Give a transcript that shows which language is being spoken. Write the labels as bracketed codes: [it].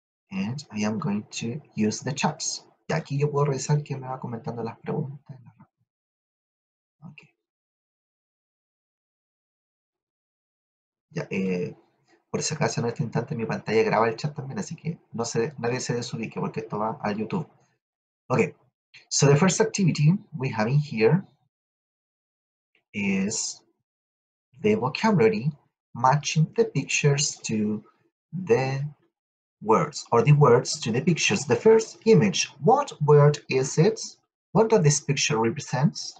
[en] And I am going to use the chats. [es] Y aquí yo puedo revisar quién me va comentando las preguntas. Ok. Ya, por si acaso, en este instante mi pantalla graba el chat también, así que nadie se desubique porque esto va al YouTube. [en] Ok, so the first activity we have in here is the vocabulary matching the pictures to the words, or the words to the pictures. The first image, what word is it? What does this picture represent?